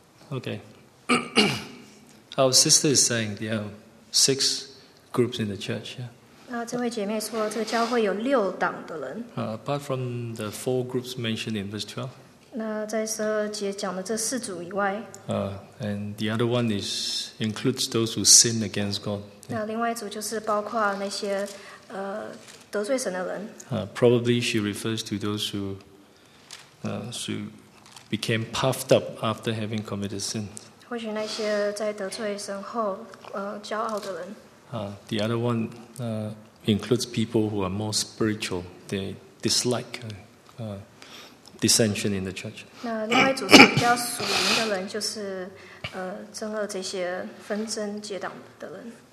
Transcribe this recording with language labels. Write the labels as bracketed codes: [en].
[en] Okay. Our sister is saying there are six groups in the church. Yeah. [zh] 这位姐妹说, 这个教会有六党的人, [en] apart from the four groups mentioned in verse 12, [zh] 那在十二节讲的这四组以外, [en] and the other one is includes those who sin against God. [zh] 那另外一组就是包括那些, 得罪神的人, [en] probably she refers to those who, who became puffed up after having committed sin. [zh] 或许那些在得罪神后, [en] the other one includes people who are more spiritual. They dislike dissension in the church. [zh] 那另外一组是比较属灵的人, 就是, 憎恶这些纷争结党的人。